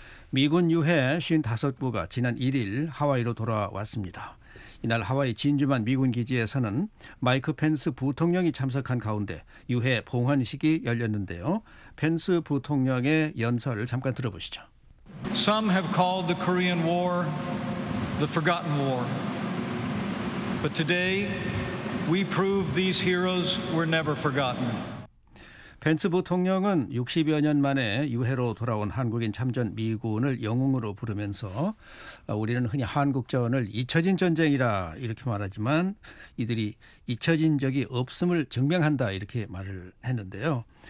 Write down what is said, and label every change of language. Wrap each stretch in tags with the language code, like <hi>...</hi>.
<ko>미군 유해 55구가 지난 1일 하와이로 돌아왔습니다. 이날 하와이 진주만 미군 기지에서는 마이크 펜스 부통령이 참석한 가운데 유해 봉환식이 열렸는데요. 펜스 부통령의 연설을 잠깐 들어보시죠.</ko> <en>Some have called the Korean War the forgotten war. But today we prove these heroes were never forgotten.</en> <ko>펜스 부통령은 60여 년 만에 유해로 돌아온 한국인 참전 미군을 영웅으로 부르면서 우리는 흔히 한국전을 잊혀진 전쟁이라 이렇게 말하지만 이들이 잊혀진 적이 없음을 증명한다 이렇게 말을 했는데요.</ko>